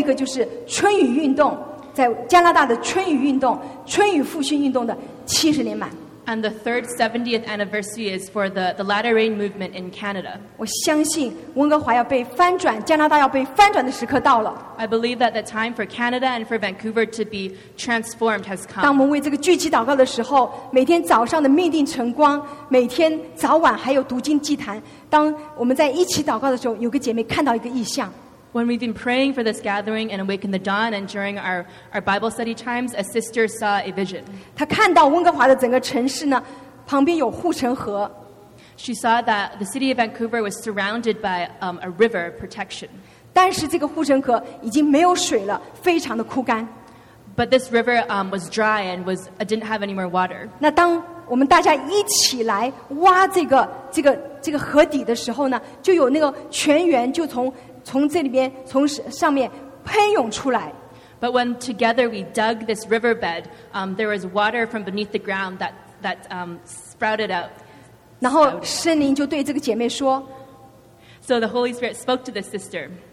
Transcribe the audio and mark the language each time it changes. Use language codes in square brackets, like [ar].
[zh] 七十年满是还有一个就是春雨运动。在加拿大的春雨运动，春雨复兴运动的七十年满。 [en] And the third 70th anniversary is for the latter rain movement in Canada. [zh] 我相信温哥华要被翻转，加拿大要被翻转的时刻到了。 [en] I believe that the time for Canada and for Vancouver to be transformed has come. [zh] 当我们为这个聚集祷告的时候，每天早上的命定晨光，每天早晚还有读经祭坛。当我们在一起祷告的时候，有个姐妹看到一个异象。 [en] When we've been praying for this gathering and Awaken the Dawn and during our Bible study times, a sister saw a vision. [zh] 她看到温哥华的整个城市呢, 旁边有护城河。 [en] She saw that the city of Vancouver was surrounded by a river protection. [zh] 但是这个护城河已经没有水了, 非常的枯干。 [en] But this river was dry and didn't have any more water. [zh] 那当我们大家一起来挖这个河底的时候呢, 就有那个泉源就从 从这里边从上面喷涌出来。 [en] But when together we dug this riverbed, there was water from beneath the ground that sprouted out. [zh] 然后圣灵就对这个姐妹说, [en] So the Holy Spirit spoke to the sister.